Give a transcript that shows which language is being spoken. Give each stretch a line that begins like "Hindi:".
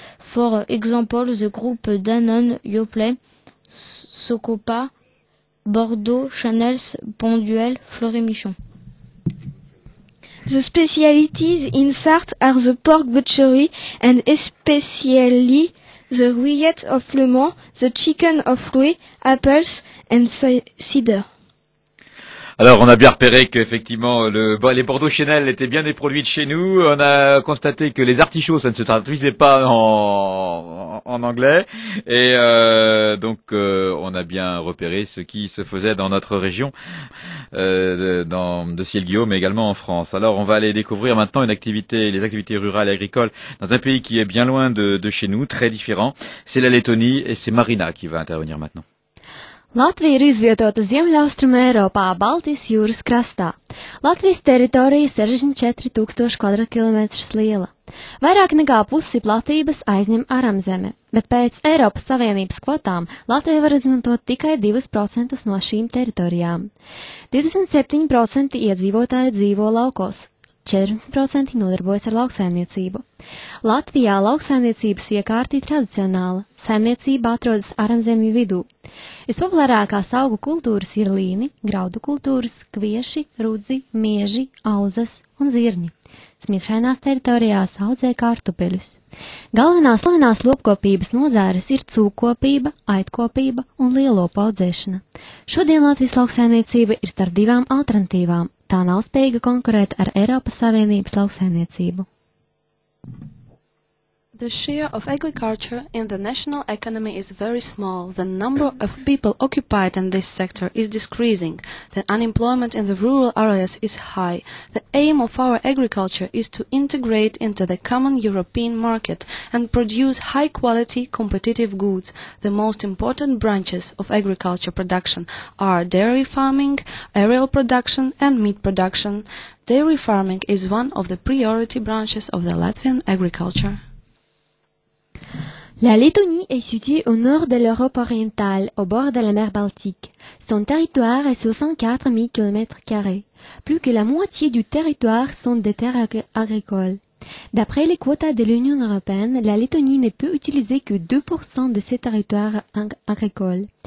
English: For example, the group Danone, Yoplait, Socopa, Bordeaux, Chanels, Bonduelle, Fleury Michon. The specialties in Sarthe are the pork butchery and especially the rillettes of Le Mans, the chicken of Loué, apples and cider.
French: Alors, on a bien repéré qu'effectivement, les Bordeaux Chenel étaient bien des produits de chez nous. On a constaté que les artichauts, ça ne se traduisait pas en anglais. Et donc, on a bien repéré ce qui se faisait dans notre région, de Ciel Guillaume, mais également en France. Alors, on va aller découvrir maintenant les activités rurales et agricoles dans un pays qui est bien loin de chez nous, très différent. C'est la Lettonie et c'est Marina qui va intervenir maintenant.
Latvian: Latvija ir izvietota Ziemļaustrumu Eiropā, Baltijas jūras krastā. Latvijas teritorija 64 tūkstoši kvadratkilometrus liela. Vairāk nekā pusi platības aizņem Aramzeme, bet pēc Eiropas Savienības kvotām Latvija var izmantot tikai 2% no šīm teritorijām. 27% iedzīvotāji dzīvo laukos, 14% nodarbojas ar lauksaimniecību. Latvijā lauksaimniecības iekārti tradicionāla, saimniecība atrodas Aramzemju vidū. Vispopulārākās augu kultūras ir līni, graudu kultūras, kvieši, rudzi, mieži, auzas un zirņi. Smiešainās teritorijās audzē kartupeļus. Galvenās lopkopības nozāres ir cūkopība, aitkopība un lielopu audzēšana. Šodien Latvijas lauksaimniecība ir starp divām alternatīvām. Tā nav spējīga konkurēt ar Eiropas Savienības lauksaimniecību.
English: The share of agriculture in the national economy is very small. The number of people occupied in this sector is decreasing. The unemployment in the rural areas is high. The aim of our agriculture is to integrate into the common European market and produce high-quality competitive goods. The most important branches of agriculture production are dairy farming, aerial production, and meat production. Dairy farming is one of the priority branches of the Latvian agriculture.
French: La Lettonie est située au nord de l'Europe orientale, au bord de la mer Baltique. Son territoire est 64 000 km². Plus que la moitié du territoire sont des terres agricoles. D'après les quotas de l'Union européenne, la Lettonie ne peut utiliser que 2% de ses territoires agricoles.